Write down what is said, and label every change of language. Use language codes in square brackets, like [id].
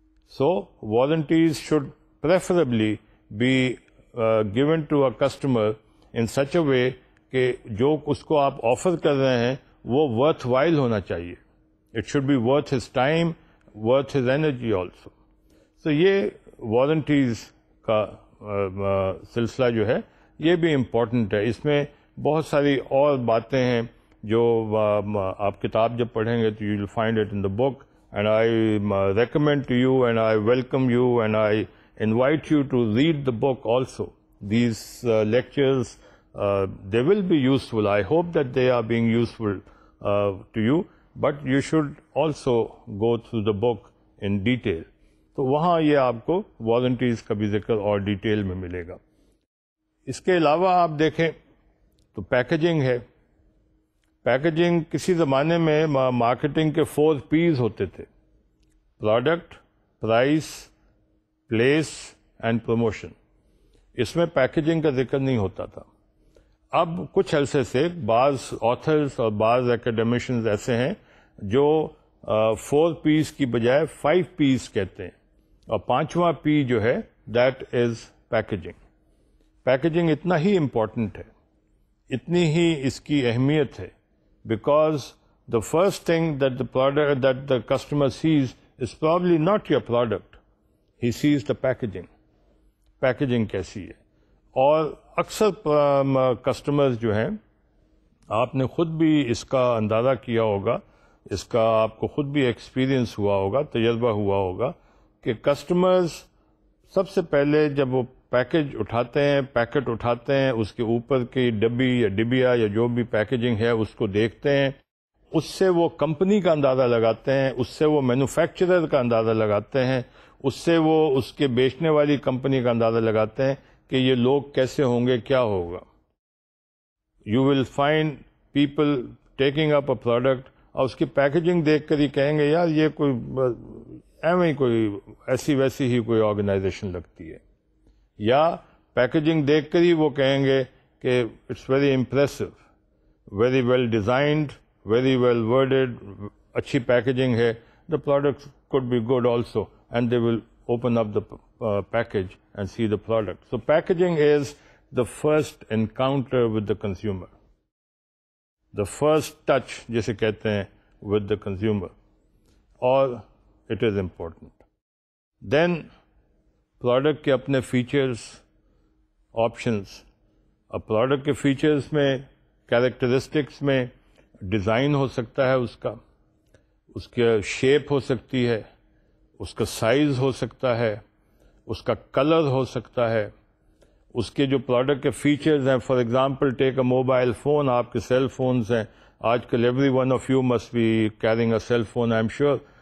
[en] So, warranties should preferably be given to a customer in such a way [ur] کہ جو اس کو آپ offer کر رہے ہیں وہ ورتھ وائل ہونا چاہیے. [en] It should be worth his time, worth his energy also. [ur] So, یہ warranties کا سلسلہ جو ہے یہ بھی امپورٹنٹ ہے. اس میں بہت ساری اور باتیں ہیں جو آپ کتاب جب پڑھیں گے تو [en] You will find it in the book. And I recommend to you and I welcome you and I invite you to read the book also. These lectures, they will be useful. I hope that they are being useful to you. But you should also go through the book in detail. [ur] So, وہاں یہ آپ کو warranties کا بھی ذکر اور detail میں ملے گا. اس کے علاوہ آپ دیکھیں تو packaging ہے. پیکجنگ کسی زمانے میں مارکیٹنگ کے 4 P's ہوتے تھے, product, price, place and promotion. اس میں پیکجنگ کا ذکر نہیں ہوتا تھا. اب کچھ عرصے سے بعض آتھرز اور بعض اکیڈمیشنز ایسے ہیں جو 4 P's کی بجائے 5 P's کہتے ہیں, اور پانچواں پی جو ہے [en] That is packaging. [ur] پیکجنگ اتنا ہی امپورٹنٹ ہے, اتنی ہی اس کی اہمیت ہے. [en] Because the first thing that the product, that the customer sees is probably not your product. He sees the packaging. [ur] Packaging kaisi hai. Aur aksar customers jo hain, aapne khud bhi iska andaza kiya hoga, iska aapko khud bhi experience hua hoga, tajruba hua hoga, ke customers sabse pehle jab wo package اٹھاتے ہیں, packet اٹھاتے ہیں, اس کے اوپر کی ڈبی یا ڈبیا یا جو بھی پیکجنگ ہے اس کو دیکھتے ہیں, اس سے وہ کمپنی کا اندازہ لگاتے ہیں, اس سے وہ مینوفیکچرر کا اندازہ لگاتے ہیں, اس سے وہ اس کے بیچنے والی کمپنی کا اندازہ لگاتے ہیں کہ یہ لوگ کیسے ہوں گے, کیا ہوگا. [en] you will find people taking up a product [ur] اور اس کی پیکجنگ دیکھ کر ہی کہیں گے یار یہ کوئی ایویں کوئی ایسی ویسی ہی کوئی آرگنائزیشن لگتی ہے, یا پیکجنگ دیکھ کر ہی وہ کہیں گے کہ [en] it's very impressive, very well designed, very well worded, [ur] اچھی پیکیجنگ ہے, [en] The product could be good also, and they will open up the package and see the product. So packaging is the first encounter with the consumer, the first touch [ur] جسے کہتے ہیں [en] With the consumer, اور it is important. [ur] Then product کے اپنے features, options, اور product کے features میں, characteristics میں ڈیزائن ہو سکتا ہے اس کا, اس کے شیپ ہو سکتی ہے, اس کا سائز ہو سکتا ہے, اس کا کلر ہو سکتا ہے, اس کے جو پروڈکٹ کے فیچرز ہیں, [en] for example take a mobile phone, [ur] آپ کے سیل فونز ہیں, آج کل [en] Every one of you must be carrying a cell phone I am sure.